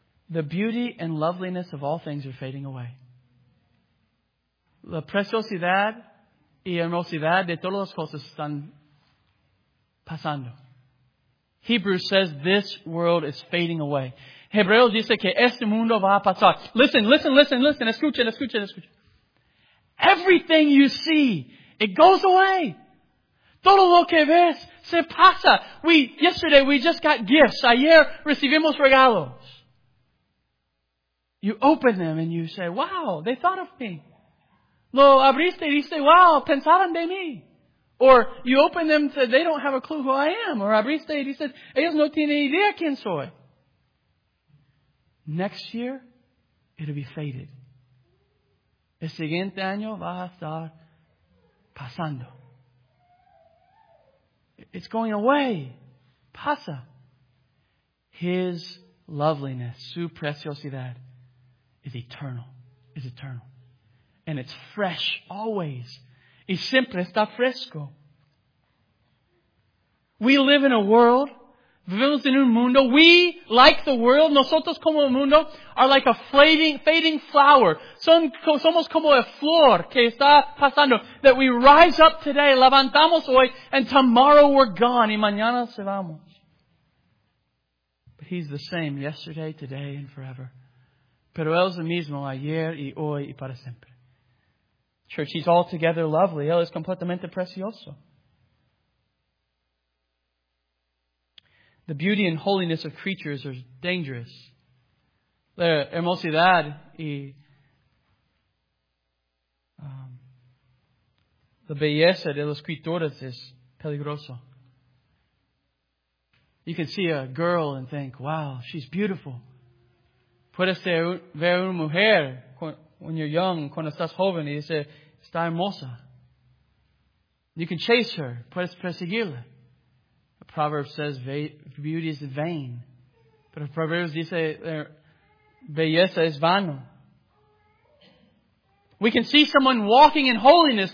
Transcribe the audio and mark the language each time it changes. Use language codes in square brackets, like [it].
[en] The beauty and loveliness of all things are fading away. [es] La preciosidad y hermosidad de todas las cosas están pasando. [en] Hebrews says this world is fading away. [es] Hebreos dice que este mundo va a pasar. [en] Listen. [es] Escuchen. [en] Everything you see, it goes away. [es] Todo lo que ves se pasa. [en] Yesterday we just got gifts. [es] Ayer recibimos regalos. [en] You open them and you say, wow, they thought of me. [es] Lo abriste y dice, wow, pensaron de mí. [en] Or you open them and say, they don't have a clue who I am. [es] Or abriste y dice, ellos no tienen idea quién soy. [en] Next year, it'll be faded. [es] El siguiente año va a estar pasando. [en] It's going away. [es] Pasa. [en] His loveliness, [es] su preciosidad, [en] is eternal. Is eternal. And it's fresh always. [es] Y siempre está fresco. [en] We live in a world. [es] Vivimos en un mundo. [en] We, like the world, [es] nosotros como el mundo, [en] are like a fading flower. [es] Somos como a flor que está pasando. [en] That we rise up today, [es] levantamos hoy, [en] and tomorrow we're gone. [es] Y mañana se vamos. [en] But He's the same yesterday, today, and forever. [es] Pero Él es el mismo ayer y hoy y para siempre. [en] Church, He's altogether lovely. [es] Él es completamente precioso. [en] The beauty and holiness of creatures are dangerous. [es] La hermosidad y la belleza de las criaturas es peligroso. [en] You can see a girl and think, wow, she's beautiful. [es] Puedes ver una mujer [en] when you're young, [es] cuando estás joven, y dice, está hermosa. [en] You can chase her. [es] Puedes perseguirla. [en] Proverbs says beauty is vain. But [es] Proverbs dice belleza es vano. [en] We can see someone walking in holiness.